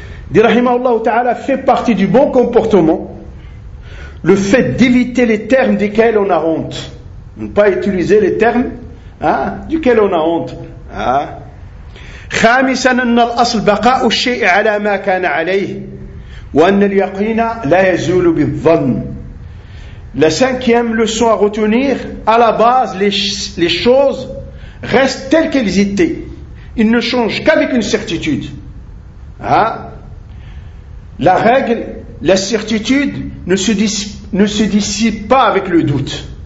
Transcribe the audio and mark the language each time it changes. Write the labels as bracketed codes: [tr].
[fr] دي رحمه الله تعالى fait partie du bon comportement le fait d'éviter les termes desquels on a honte. ne pas utiliser les termes hein, duquel on a honte. [ar] خامسا أن الأصل بقاء الشيء على ما كان عليه وأن اليقين لا يزول بالظن. [fr] La cinquième leçon à retenir, à la base, les choses restent telles qu'elles étaient. Ils ne changent qu'avec une certitude. Hein? La règle, la certitude ne se dissipe pas avec le doute.